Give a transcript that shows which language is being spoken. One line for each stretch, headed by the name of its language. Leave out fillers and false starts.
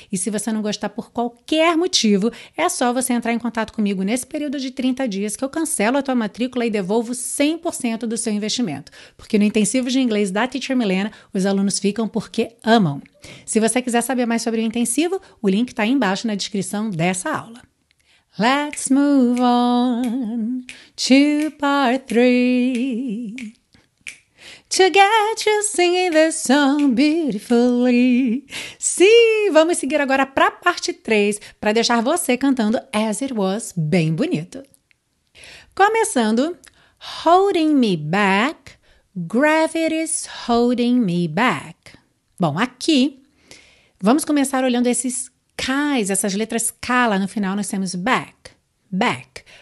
Portuguese: E se você não gostar por qualquer motivo, é só você entrar em contato comigo nesse período de 30 dias que eu cancelo a tua matrícula e devolvo 100% do seu investimento. Porque no Intensivo de Inglês da Teacher Milena, os alunos ficam porque amam. Se você quiser saber mais sobre o Intensivo, o link está aí embaixo na descrição dessa aula.
English: Let's move on to part three. To get you singing this song beautifully.
Portuguese: Sim, vamos seguir agora para parte 3, para deixar você cantando As It Was bem bonito. Começando,
English: holding me back, gravity's holding me back.
Portuguese: Bom, aqui, vamos começar olhando esses K's, essas letras K lá no final, nós temos back, back.